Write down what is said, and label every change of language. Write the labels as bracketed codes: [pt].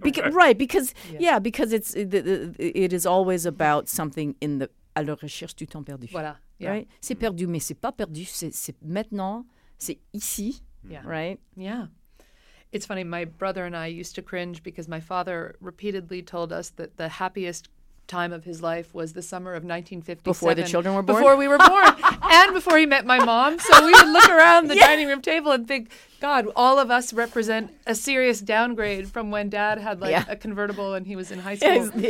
[en] Because it is always about something in the... [fr] À la recherche du temps perdu. Voilà. [en] Yeah. Right? [fr] C'est perdu, mais c'est pas perdu. C'est maintenant. C'est ici. [en] Yeah. Right? Yeah. It's funny. My brother and I used to cringe because my father repeatedly told us that the happiest time of his life was the summer of 1957. Before the children were born? Before we were born. And before he met my mom. So we would look around the dining room table and think, God, all of us represent a serious downgrade from when Dad had a convertible and he was in high school.